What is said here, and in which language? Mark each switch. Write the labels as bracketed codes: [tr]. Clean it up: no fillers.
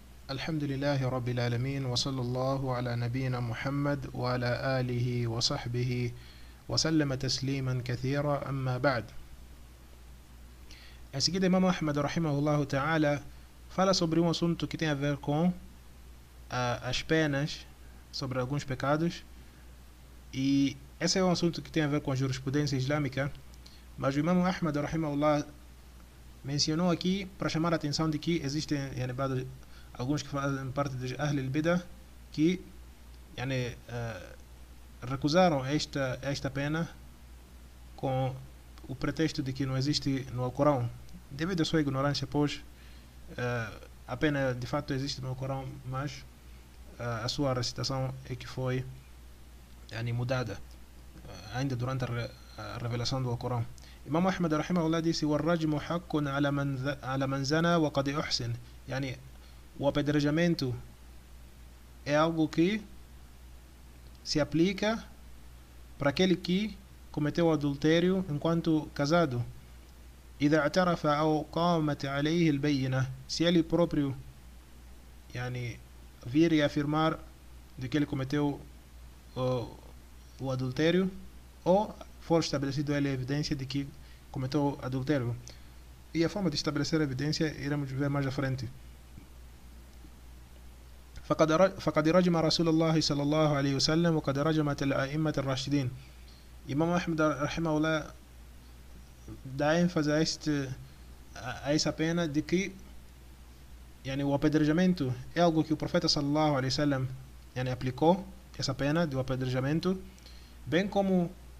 [ar] الحمد لله رب العالمين، وصلى الله على نبينا محمد وعلى آله وصحبه وسلم تسليما كثيرا. أما بعد، سيدي الإمام أحمد رحمه الله تعالى فلا [pt] sobre um assunto que tem a ver com as penas, sobre alguns pecados, e esse é um assunto que tem a ver com a jurisprudência islâmica. Mas o Imam Ahmad rahimahullah mencionou aqui para chamar a atenção de que existem, yani, alguns que fazem parte de Ahl al-Bidah que yani, recusaram esta pena com o pretexto de que não existe no Alcorão, devido à sua ignorância, pois a pena de fato existe no Alcorão, mas a sua recitação é que foi yani, mudada ainda durante a revelação do Alcorão. Imam Ahmad rahimahullah disse: [ar] والرجم حق على من زنى وقد أحسن. [pt] Yani, o apedrejamento é algo que se aplica para aquele que cometeu adultério enquanto casado. [ar] إذا اعترف أو قامت عليه البينة. [pt] Se ele próprio yani, vir e afirmar de que ele cometeu o adultério, ou for estabelecido ele a evidência de que cometeu adultério. E a forma de estabelecer a evidência iremos ver mais à frente. [ar] فقد رجم رسول الله صلى الله عليه وسلم وقد رجمت الأئمة الراشدين. [pt] Imam Ahmad رحمه الله dá ênfase a essa pena de que yani, o apedrejamento é algo que o profeta صلى الله عليه وسلم yani, aplicou essa pena do apedrejamento, bem como